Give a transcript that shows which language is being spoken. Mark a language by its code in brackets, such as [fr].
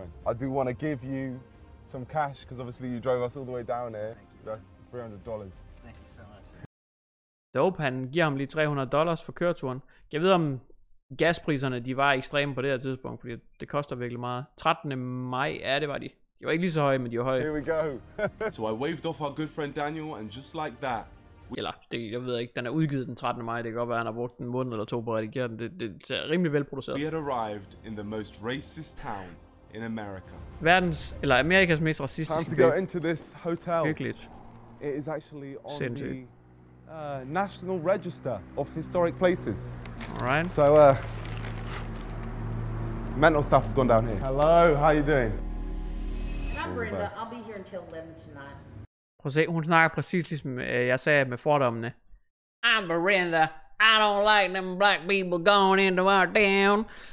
[en] I do want to give you some cash because obviously you drove us all the way down here. That's $300. Thank you so much. [da] Dope, han giver ham lige $300 for køreturen. Jeg ved om gaspriserne, de var ekstreme på det her tidspunkt, fordi det koster virkelig meget. 13. maj, ja, det var de. De var ikke lige så høje, men de var høje. [en] Here we go. So I waved off our good friend Daniel and just like that. [da] Eller, det, jeg ved ikke, den er udgivet den 13. maj, det kan godt være, han har brugt en måned eller to på at redigere den, det er rimelig velproduceret. [en] We had arrived in the most racist town in America. [da] Verdens, eller Amerikas mest racistiske by. [en] Time to go into this hotel. [da] Hyggeligt. [en] It is actually on the National Register of Historic Places. Alright. So, mental stuff has gone down here. Hello, how you doing? Not Brenda, I'll be here until 11 tonight. [da] Prøv at se, hun snakker præcis ligesom jeg sagde med fordommene. [en] I'm Brenda. I don't like them black people going into our town.